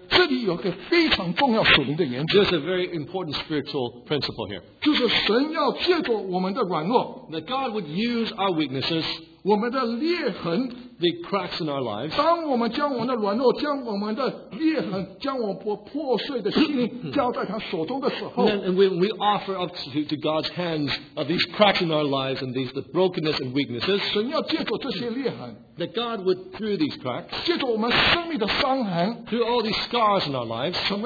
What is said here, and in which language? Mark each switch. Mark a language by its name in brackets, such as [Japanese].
[Chinese] 这里有一个非常重要属灵的原则, [English] there's a very important spiritual principle here. [Chinese] 就是神要借着我们的软弱, [English] that God would use our weaknesses, [Chinese] 我们的裂痕, [English] the cracks in our lives, [Chinese] 当我们将我们的软弱, 将我们的裂痕, 将我们破碎的心灵, 交在他手中的时候, [English] and when we offer up to God's hands of these cracks in our lives and these the brokenness and weaknesses, [Chinese] 神要借着这些裂痕, [English] that God would, through these cracks, [Chinese] 借着我们生命的伤痕, [English] through all these scars in our lives,